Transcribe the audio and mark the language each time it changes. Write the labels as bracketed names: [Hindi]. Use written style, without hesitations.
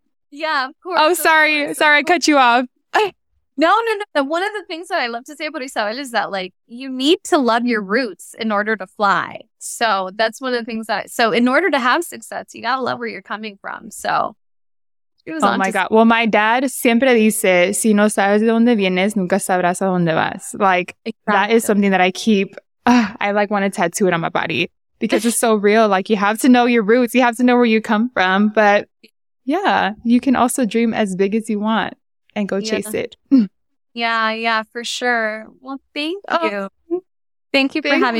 [English] Yeah, of course. Oh, sorry. Sorry, I cut you off. No. One of the things that I love to say about Isabel is that, like, you need to love your roots in order to fly. So that's one of the things So in order to have success, you got to love where you're coming from. So... Oh my God. Well, my dad [Spanish] siempre dice, si no sabes de dónde vienes, nunca sabrás a dónde vas. [English] Like, exactly. That is something that I keep, I like want to tattoo it on my body because it's so real. Like, you have to know your roots. You have to know where you come from. But yeah, you can also dream as big as you want and go chase it. yeah, for sure. Well, thank you. Thank you for having me.